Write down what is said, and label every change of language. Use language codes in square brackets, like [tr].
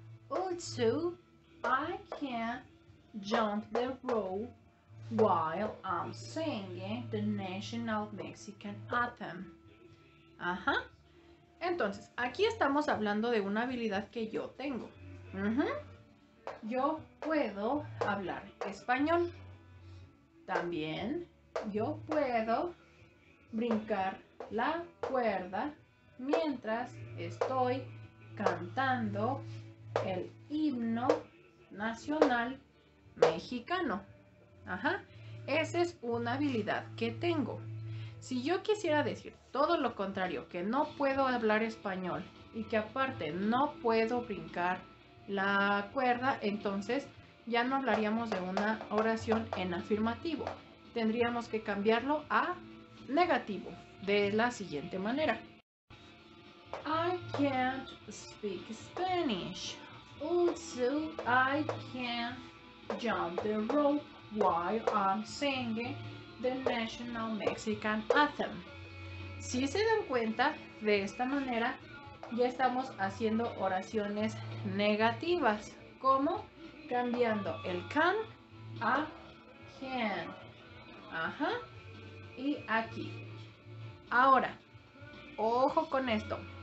[en] Also, I can jump the rope while I'm singing the national Mexican anthem. [es] Entonces, aquí estamos hablando de una habilidad que yo tengo. Yo puedo hablar español. También yo puedo brincar la cuerda mientras estoy cantando el himno nacional mexicano. Esa es una habilidad que tengo. Si yo quisiera decir todo lo contrario, que no puedo hablar español y que aparte no puedo brincar la cuerda, entonces ya no hablaríamos de una oración en afirmativo. Tendríamos que cambiarlo a negativo de la siguiente manera. [en] I can't speak Spanish. Also, I can't jump the rope while I'm singing the national Mexican anthem. [es] Si se dan cuenta, de esta manera ya estamos haciendo oraciones negativas, como cambiando el can a can. Y aquí. Ahora, ojo con esto.